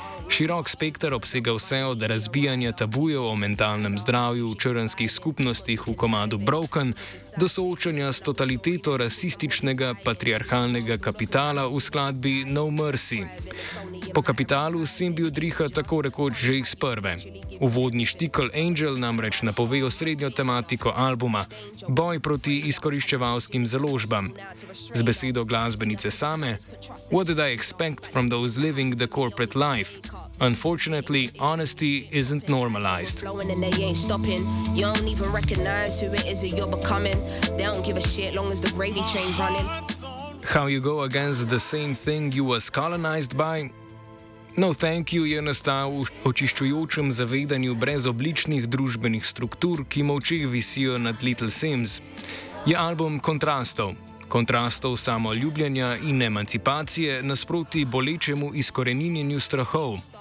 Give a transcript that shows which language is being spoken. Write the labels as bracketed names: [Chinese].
[Slovenian] Širok spektar obsega vse od razbijanja tabujev o mentalnem zdravju v črnskih skupnostih v komadu Broken do soočanja s totaliteto rasističnega patriarhalnega kapitala v skladbi No Mercy. Po kapitalu Simbi udriha tako rekoč že iz prve. Uvodni štikl Angel namreč napove osrednjo tematiko albuma – boj proti izkoriščevalskim založbam. Z besedo glasbenice same [English] – What did I expect from those living the corporate life? Unfortunately, honesty isn't normalized. Flowing and they ain't stopping. You don't even recognize who it is that you're becoming. They don't give a shit long as the gravy train's running. How you go against the same thing you was colonized by? [Slovenian] No Thank You je nastal v očiščujočem zavedanju brezobličnih družbenih struktur, ki molče visijo nad Little Sims. Je album kontrastov. Kontrastov samoljubljenja in emancipacije nasproti bolečemu izkoreninjenju strahov.